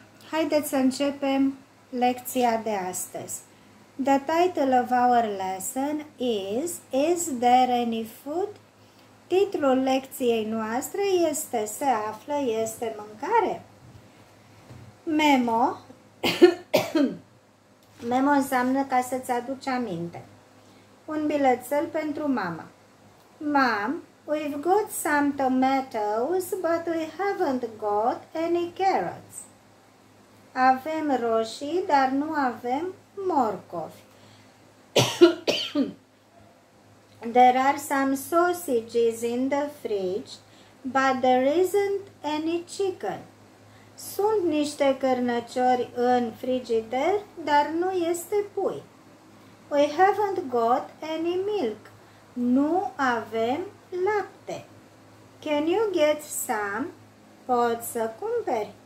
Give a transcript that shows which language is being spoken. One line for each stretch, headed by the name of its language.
Romanian: Haideți să începem lecția de astăzi.
English: The title of our lesson is there any food?
Romanian: Titlul lecției noastre este, se află, este mâncare? Memo. Memo înseamnă ca să-ți aduci aminte. Un bilețel pentru mama.
English: Mom, we've got some tomatoes, but we haven't got any carrots.
Romanian: Avem roșii, dar nu avem morcovi.
English: There are some sausages in the fridge, but there isn't any chicken.
Romanian: Sunt niște cărnăciori în frigider, dar nu este pui.
English: We haven't got any milk.
Romanian: Nu avem lapte.
English: Can you get some?
Romanian: Poți să cumperi?